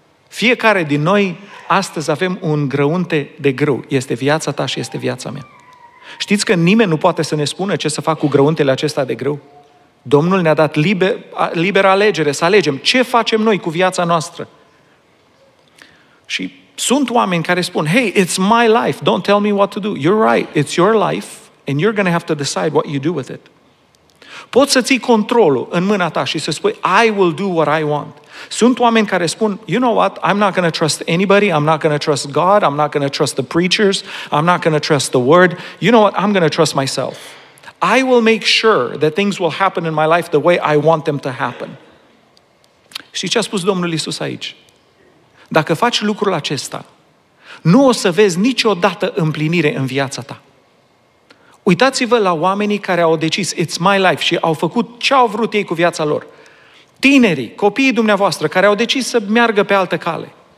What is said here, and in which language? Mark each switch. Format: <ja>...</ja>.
<ro>Fiecare din noi astăzi avem un grăunte de grâu. Este viața ta și este viața mea. Știți că nimeni nu poate să ne spună ce să fac cu grăuntele acesta de grâu? Domnul ne-a dat liberă alegere, să alegem ce facem noi cu viața noastră. Și sunt oameni care spun,</ro> <en>hey, it's my life, don't tell me what to do. You're right, it's your life and you're going to have to decide what you do with it.</en> <ro>Poți să ții controlul în mâna ta și să spui,</ro> <en>I will do what I want.</en> <ro>Sunt oameni care spun,</ro> <en>you know what, I'm not going to trust anybody, I'm not going to trust God, I'm not going to trust the preachers, I'm not going to trust the word, you know what, I'm going to trust myself. I will make sure that things will happen in my life the way I want them to happen.</en> <ro>Și ce a spus Domnul Iisus aici? Dacă faci lucrul acesta, nu o să vezi niciodată împlinire în viața ta. Uitați-vă la oamenii care au decis,</ro> <en>it's my life,</en> <ro>și au făcut ce au vrut ei cu viața lor. Tinerii, copiii dumneavoastră, care au decis să meargă pe altă cale.</ro>